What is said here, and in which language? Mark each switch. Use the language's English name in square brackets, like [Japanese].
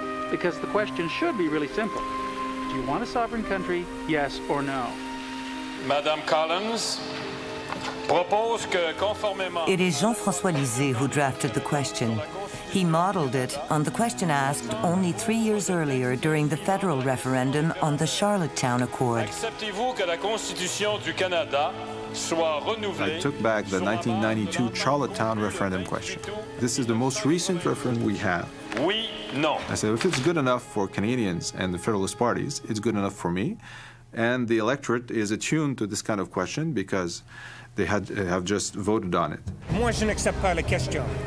[English] Because the question should be really simple. Do you want a sovereign country, yes or no? Madame Collins? It is Jean-François Lisée who drafted the question. He modeled it on the question asked only 3 years earlier during the federal referendum on the Charlottetown Accord. [French] Acceptez-vous que la Constitution du Canada soit renouvelée? [English] I took back the 1992 Charlottetown referendum question. This is the most recent referendum we have. [French] Oui, non. [English] I said, if it's good enough for Canadians and the Federalist parties, it's good enough for me. And the electorate is attuned to this kind of question because they have just voted on it. [French] Moi, je n'accepte pas la question.